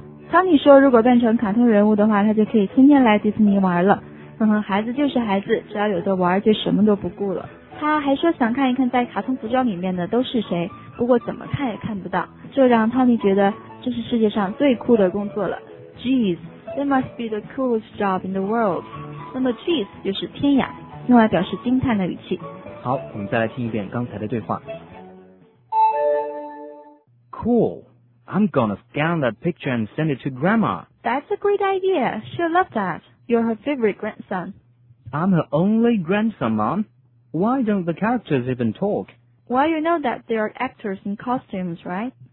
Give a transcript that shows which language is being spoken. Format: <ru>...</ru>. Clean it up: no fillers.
<zh>Tony 说如果扮成卡通人物的话，他就可以天天来迪士尼玩了。哼哼，孩子就是孩子，只要有的玩就什么都不顾了。他还说想看一看在卡通服装里面的都是谁，不过怎么看也看不到，这让 Tony 觉得这是世界上最酷的工作了。</zh> <en>Jeez, that must be the coolest job in the world.</en> <zh>那么 Jeez 就是天涯，用来表示惊叹的语气。好，我们再来听一遍刚才的对话。</zh> <en>Cool, I'm gonna scan that picture and send it to Grandma. That's a great idea, she'll love that. You're her favorite grandson. I'm her only grandson, Mom. Why don't the characters even talk? Well, you know that there are actors in costumes, right?</en>